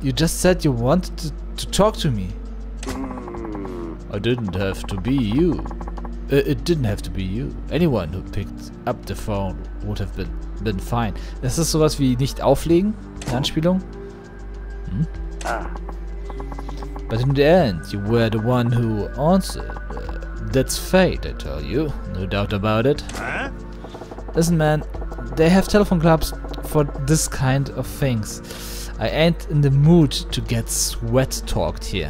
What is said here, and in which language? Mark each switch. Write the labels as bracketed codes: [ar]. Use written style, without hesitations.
[en] You just said you wanted to talk to me. I didn't have to be you. It didn't have to be you. Anyone who picked up the phone would have been fine. [de] Das ist sowas wie nicht auflegen, eine Anspielung. [en] But in the end, you were the one who answered. That's fate, I tell you. No doubt about it. Listen, man, they have telephone clubs for this kind of things. I ain't in the mood to get sweet-talked here.